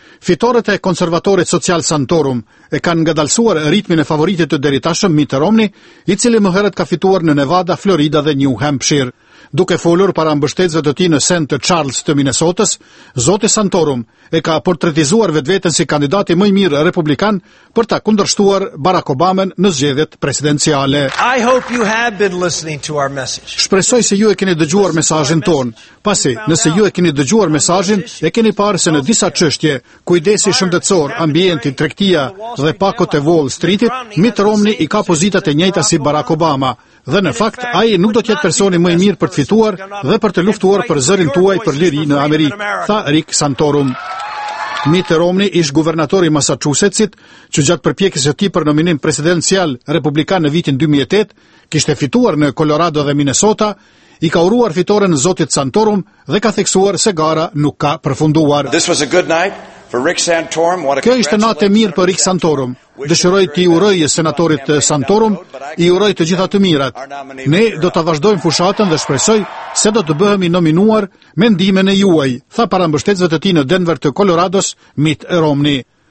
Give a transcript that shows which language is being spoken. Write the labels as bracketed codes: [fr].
[sq] Fitoret e konservatorit social Santorum e kanë ngadalsuar ritmin e favoritit të deritashëm Mitt Romney, i cili më herët ka fituar në Nevada, Florida dhe New Hampshire. Duke folur para mbështetësve të tij në St. Charles të Minnesotës, zoti Santorum e ka portretizuar vetveten si kandidati më i mirë republikan për ta kundërshtuar Barack Obama në zgjedhjet presidenciale. [en] I hope you have been listening to our message. [sq] Shpresoj se ju e keni dëgjuar mesazhin ton. Pasi, nëse ju e keni dëgjuar mesazhin, e keni parë se në disa çështje, kujdesi shëndetësor, ambienti, tregtia dhe pakot e Wall Streetit, Mitt Romney i ka pozitat e njëjta si Barack Obama. Dhe në fakt, ai nuk do të jetë personi më i mirë për të fituar dhe për të luftuar për zërin tuaj për liri në Amerikë, tha Rick Santorum. Mitt Romney ishtë guvernatori Massachusettsit, që gjatë përpjekjes së tij për nominim presidencial republikan në vitin 2008, kishte fituar në Colorado dhe Minnesota, i ka uruar fitoren Zotit Santorum dhe ka theksuar se gara nuk ka përfunduar. [en] This was a good night for Rick Santorum. [sq] Kjo ishte natë e mirë për Rick Santorum. Dëshiroj t'i uroj senatorit Santorum, i uroj të gjitha të mirat. Ne do të vazhdojmë fushatën dhe shpresoj se do të bëhemi nominuar me ndimin e juaj, tha parambështetësve të tij në Denver të Colorados, Mitt Romney.